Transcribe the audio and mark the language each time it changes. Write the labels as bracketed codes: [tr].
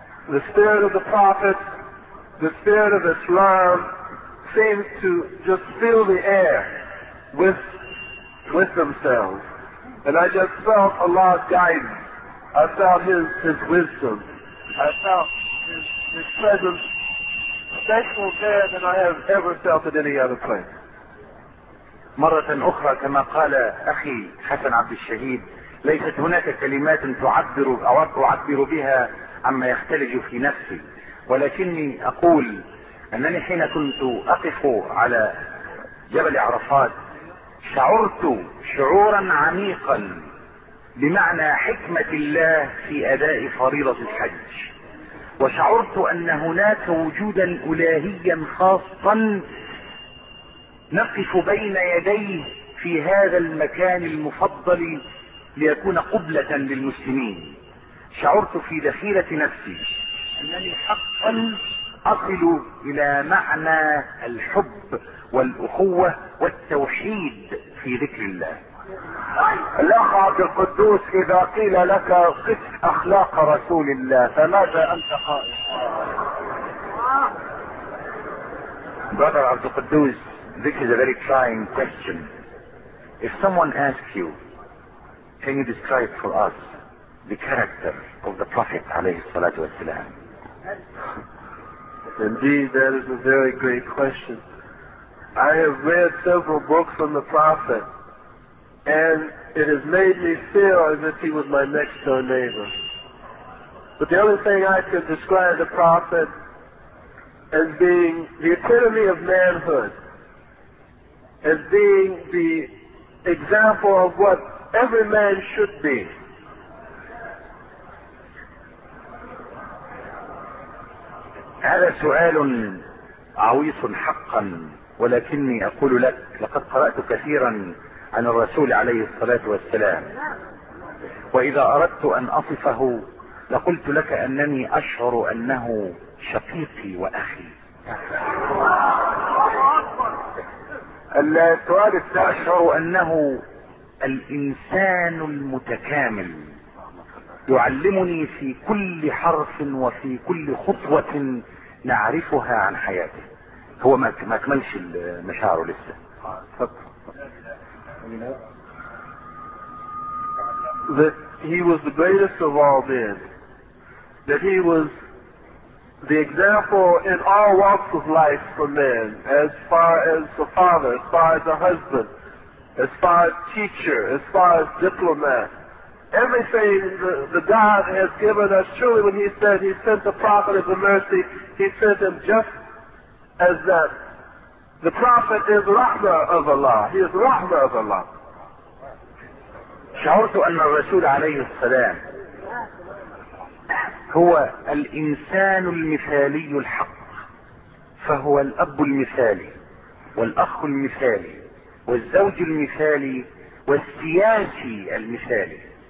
[en] the spirit of the prophet the spirit of Islam seemed to just fill the air with themselves and I just felt Allah's guidance I felt his wisdom I felt his presence special there than I have ever felt at any other place [ar] مرة أخرى كما قال أخي حسن عبد الشهيد ليست هناك كلمات تعبر أو أعبر بها عما يختلج في نفسي ولكني أقول أنني حين كنت أقف على جبل عرفات شعرت شعورا عميقا بمعنى حكمة الله في أداء فريضة الحج وشعرت أن هناك وجودا إلهيا خاصا نقف بين يديه في هذا المكان المفضل ليكون قبلة للمسلمين شعرت في ذخيرة نفسي أنني حقا أصل إلى معنى الحب والأخوة والتوحيد في ذكر الله الأخ عبد القدوس إذا قيل لك قف أخلاق رسول الله فماذا أنت قائل [en] Brother عبد القدوس This is a very trying question. If someone asks you, can you describe for us the character of the Prophet alayhi salatu wasalam? Indeed, that is a very great question. I have read several books on the Prophet, and it has made me feel as if he was my next door neighbor. But the only thing I could describe the Prophet as being the epitome of manhood. As being the example of what every man should be. [ar] هذا سؤال عويص حقا ولكني اقول لك لقد قرأت كثيرا عن الرسول عليه الصلاة والسلام واذا اردت ان اصفه لقلت لك انني اشعر انه شقيقي واخي السؤال أشعر أنه الإنسان المتكامل يعلمني في كل حرف وفي كل خطوة نعرفها عن حياته هو ما كملش المشاعر لسه [en] that he was the greatest of all men that he was The example in all walks of life for men, as far as the father, as far as the husband, as far as teacher, as far as diplomat, everything the God has given us, truly when he said he sent the prophet as a mercy, he sent him just as that The Prophet is Rahmah of Allah. He is Rahmah of Allah. [ar] شعرت أن الرسول عليه السلام هو الإنسان المثالي الحق، فهو الأب المثالي والأخ المثالي والزوج المثالي والسياسي المثالي.